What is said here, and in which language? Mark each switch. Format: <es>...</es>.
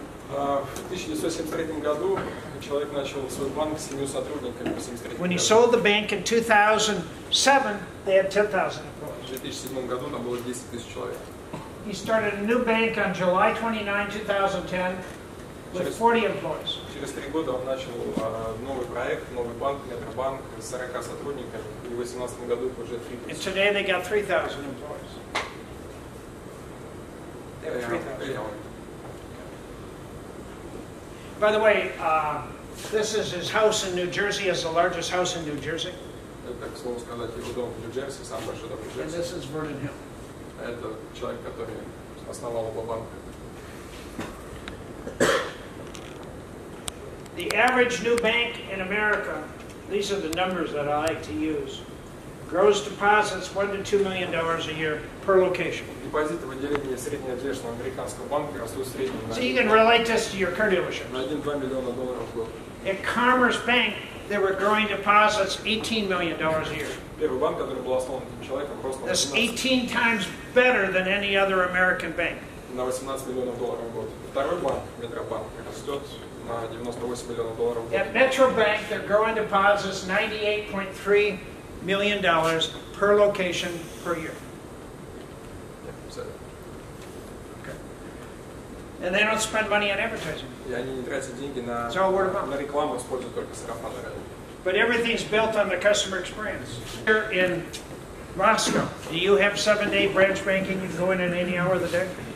<ru>1973 году человек начал свой банк с 7 сотрудниками.</ru> <en>When he sold the bank in 2007, they had 10,000 employees.</en> <ru>В 2007 году там было 10 тысяч человек.</ru> <en>He started a new bank on July 29, 2010, with 40 employees.</en> <ru>Через 3 года он начал новый проект, новый банк, с 40 сотрудниками.</ru> <en>And today they got 3,000 employees. By the way, this is his house in New Jersey, it's the largest house in New Jersey. And this is Vernon Hill.</en> <ru>Это человек, который основал его банк.</ru> <en>The average new bank in America, these are the numbers that I like to use, grows deposits $1 to $2 million a year per location.</en> <ru>Депозиты в отделении среднеотдельного американского банка растут в среднем.</ru> <en>So you can relate this to your car dealership.</en> <ru>На 1-2 миллиона долларов в год.</ru> <en>At Commerce Bank, they were growing deposits $18 million a year.</en> <ru>Первый банк, который был основан этим человеком, просто.</ru> <en>That's 18 times better than any other American bank.</en> <ru>На 18 миллионов долларов в год. Второй банк, Метробанк, растет на 98 миллионов долларов в год.</ru> <en>At Metro Bank, they're growing deposits $98.3 million per location per year. Okay. And they don't spend money on advertising.</en> <ru>И они не тратят деньги на рекламу, используют только сарафанное радио.</ru> <en>But everything's built on the customer experience. Here in Moscow, do you have 7-day branch banking? You can go in any hour of the day?</en>